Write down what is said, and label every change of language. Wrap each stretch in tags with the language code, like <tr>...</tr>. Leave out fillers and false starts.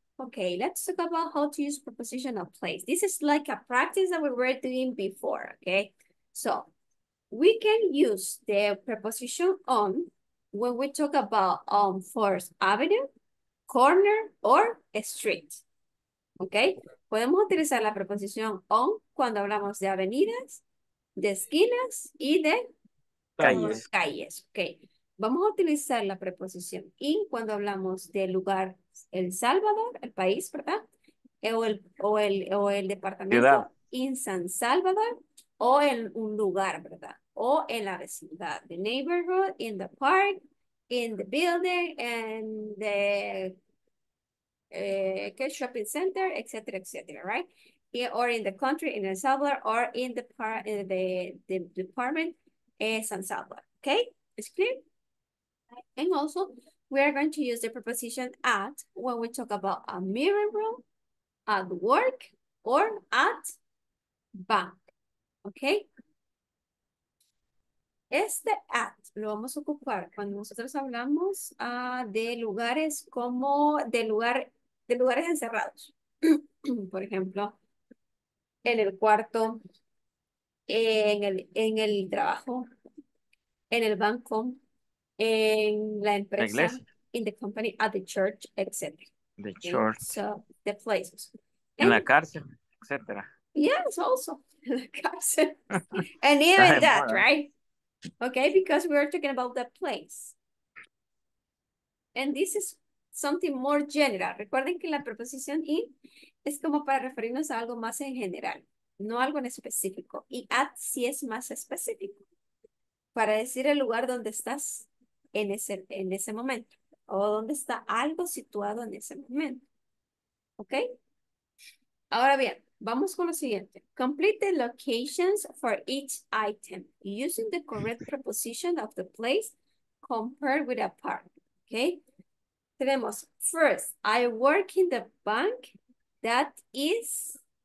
<en>Okay, let's talk about how to use preposition of place. This is like a practice that we were doing before, okay? So we can use the preposition on when we talk about Fourth Avenue, corner, or street. Okay?</en> <es>Podemos utilizar la preposición on cuando hablamos de avenidas, de esquinas, y de calles. Calles. Okay. Vamos a utilizar la preposición in cuando hablamos del lugar El Salvador, el país, ¿verdad? O el departamento in San Salvador, o en un lugar, ¿verdad? O en la vecindad,</es> <en>the neighborhood, in the park, in the building, in the shopping center, etc., etc., right? Or in the country, in El Salvador, or in the part, in the department, San Salvador. Okay, it's clear. And also, we are going to use the preposition at when we talk about a mirror room, at work, or at bank. Okay.</en> <es>Este at lo vamos a ocupar cuando nosotros hablamos de lugares como de lugares encerrados. Por ejemplo, en el cuarto, en el trabajo, en el banco, en la empresa,</es> <en>in the company, at the church,</en> <es>etc.</es> <en>The church. Okay. So, the places.</en> <es>En la cárcel, etc.</es> <en>Yes, also. In the cárcel. And even that, right? Okay, because we're talking about the place. And this is something more general.</en> <es>Recuerden que la preposición in es como para referirnos a algo más en general, no algo en específico. Y at sí es más específico, para decir el lugar donde estás en ese momento, o donde está algo situado en ese momento. Okay? Ahora bien, vamos con lo siguiente.</es> <en>Complete the locations for each item using the correct preposition of the place compared with a park. Okay?</en> <es>Tenemos,</es> <en>first, I work in the bank that is</en>